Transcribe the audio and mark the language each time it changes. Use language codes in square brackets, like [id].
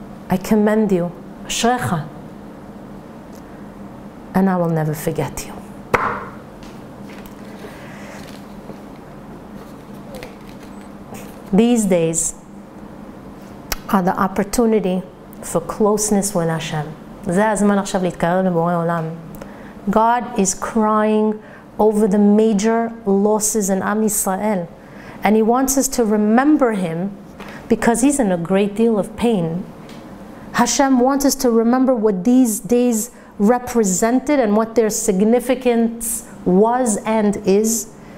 [en] I commend you, [he] אשריך, [en] and I will never forget you. These days are the opportunity for closeness with Hashem. [he] זה הזמן עכשיו להתקרב לבורא עולם. [en] God is crying over the major losses in Am Yisrael. And he wants us to remember him because he's in a great deal of pain. Hashem wants us to remember what these days represented and what their significance was and is.